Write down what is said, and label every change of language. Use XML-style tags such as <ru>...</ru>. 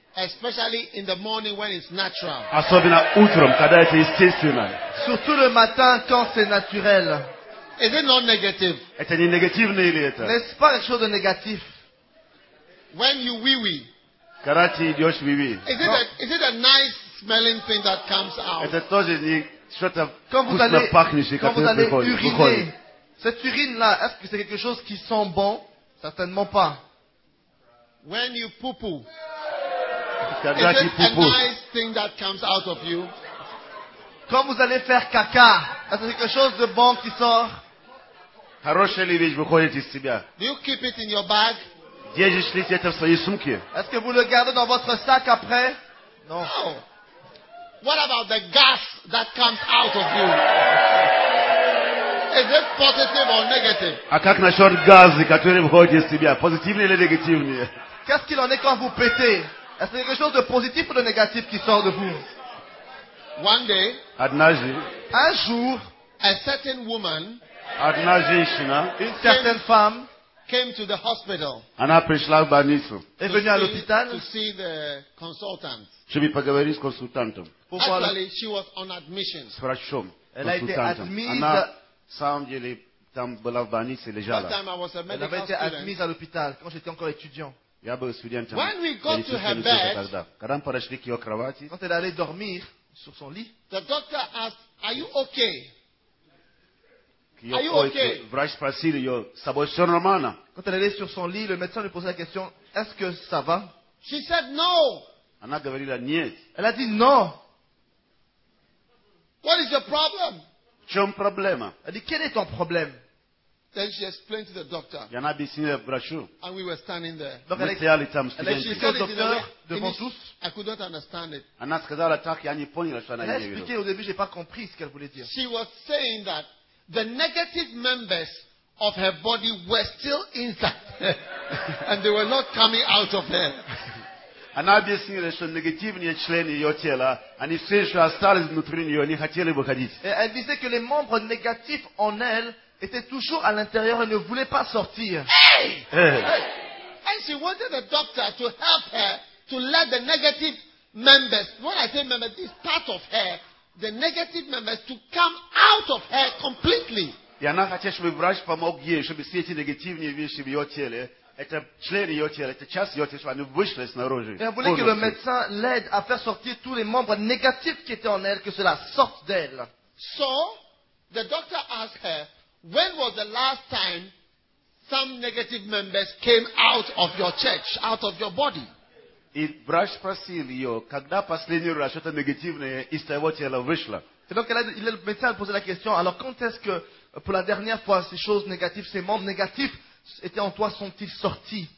<en>Especially in the morning when it's natural.</en> <ru>Особенно утром, когда это естественно.</ru> <fr>Surtout le matin quand c'est naturel.</fr> <en>Is it not negative?</en> <ru>Это не негативно или это?</ru> <fr>N'est-ce pas quelque chose de négatif?</fr> <en>When you wee-wee.</en> <ru>Когда ты идешь wee-wee.</ru> <en>Is it a nice smelling thing that comes out?</en> <ru>Это тоже не что-то вкусно пахнущее, которое выходит.</ru> <fr>Cette urine-là, est-ce que c'est quelque chose qui sent bon? Certainement pas.</fr> <en>When you poo-poo. Is it a nice thing that comes out of you?</en> <fr>Quand vous allez faire caca, est-ce que c'est quelque chose de bon qui sort?</fr> <ru>Хорошая ли вещь выходит из тебя?</ru> <en>Do you keep it in your bag?</en> <ru>Держишь ли ты это в своей сумке?</ru> <fr>Est-ce que vous le gardez dans votre sac après? Non. No.</fr> <en>What about the gas that comes out of you? Is it positive or negative?</en> <ru>А как насчет газа, который выходит из тебя? Позитивный или негативный?</ru> <fr>Qu'est-ce qu'il en est quand vous pétez? Est-ce quelque chose de positif ou de négatif qui sort de vous?</fr> <en>One day,</en> <fr>un jour,</fr> <en>a certain woman,</en> <ru>одна женщина,</ru> <fr>une certaine femme,</fr> <en>came to the hospital,</en> <ru>она пришла в больницу,</ru> <fr>est venue à l'hôpital,</fr> <en>to see the consultant,</en> <ru>чтобы поговорить с консультантом.</ru> <en>Actually, she was on admission.</en> <ru>С врачом,</ru> <fr>elle</fr> <ru>консультантом. Она, в самом деле, там была в больнице, лежала.</ru> <en>That time I was a medical</en> <fr>Elle avait été</fr> <en>student.</en> <fr>Admise à l'hôpital, quand j'étais encore étudiant.</fr> <en>When we got to her bed,</en> <fr>quand elle allait dormir sur son lit,</fr> <en>the doctor asked, "Are you okay? Are you okay?"</en> <fr>Quand elle allait sur son lit, le médecin lui posait la question, "Est-ce que ça va?"</fr> <en>She said no.</en> <fr>Elle a dit non.</fr> <en>What is your problem?</en> <fr>Quel problème? Elle dit, quel est ton problème?</fr> <en>Then she explained to the doctor.</en> <fr>Il y en a bien signé le brochure.</fr> <en>And we were standing there.</en> <fr>Donc elle était à l'étame. Elle expliquait au docteur devant tous.</fr> <en>I could not understand it.</en> <ru>Она сказала так, я не понял, что она имела в виду.</ru> <fr>Elle expliquait au début, j'ai pas compris ce qu'elle voulait dire.</fr> <en>She was saying that the negative members of her body were still inside, and they were not coming out of her.</en> <ru>Она объяснила, что негативные члены ее тела, они все еще остались внутри нее, они хотели выходить.</ru> <fr>Et elle disait que les membres négatifs en elle était toujours à l'intérieur et ne voulait pas sortir.</fr> <en>Hey! And she wanted the doctor to help her to let the negative members, when I say members, this part of her, the negative members to come out of her completely.</en> <ru>И она хотела, чтобы врач помог ей, чтобы все эти негативные вещи в ее теле, это члены ее тела, это часть ее тела, чтобы они вышли снаружи.</ru> <fr>Elle voulait que le médecin l'aide à faire sortir tous les membres négatifs qui étaient en elle, que cela sorte d'elle.</fr> <en>So, the doctor asked her, when was the last time some negative members came out of your church, out of your body?</en> <ru>Et врач спросил ее, когда последний раз что-то негативное из твоего тела вышло?</ru> <fr>Et donc, le médecin a posé la question, alors quand est-ce que, pour la dernière fois, ces choses négatives, ces membres négatifs étaient en toi, sont-ils sortis?</fr>